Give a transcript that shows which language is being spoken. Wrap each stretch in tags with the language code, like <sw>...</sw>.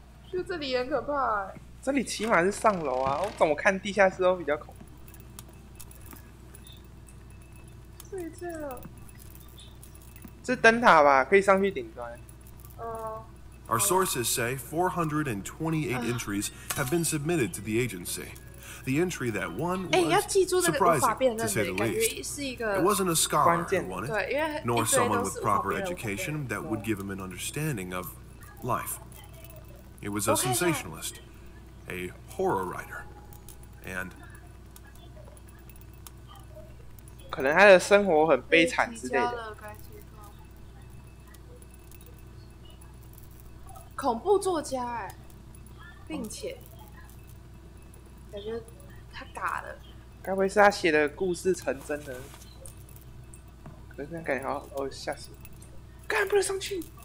<zh>就这里也很可怕、欸。这里起码是上楼啊，我怎么看地下室都比较恐怖。这里这样。是灯塔吧，可以上去顶端。</zh> <en>Our sources say 428 entries have been submitted to the agency. The entry that won was surprising, to say the least. It wasn't a scholar who won it, nor someone with proper education that would give him an understanding of life. It was a sensationalist, a horror writer, and</en> <zh>可能他的生活很悲惨之类的。恐怖作家哎、欸，并且感觉他嘎了，该不会是他写的故事成真了？可是那感觉好好，哦，吓死了，干嘛不能上去？</zh>